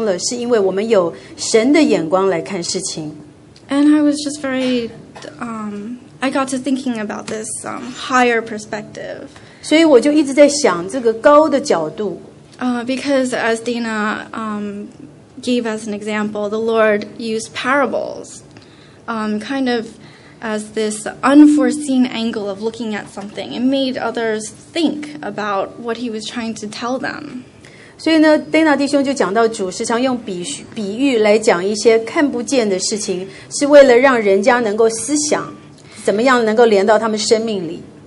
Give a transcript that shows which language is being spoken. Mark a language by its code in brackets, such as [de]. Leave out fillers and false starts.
[zh] 所以我们看事情的角度就提升了，是因为我们有神的眼光来看事情。 [en] And I was just very, I got to thinking about this higher perspective. [zh] 所以我就一直在想这个高的角度。 [en] Because as Dana gave us an example, the Lord used parables, kind of as this unforeseen angle of looking at something. It made others think about what he was trying to tell them. [zh] 所以呢, Dana弟兄就讲到主时常用比喻来讲一些看不见的事情, 是为了让人家能够思想怎么样能够连到他们生命里。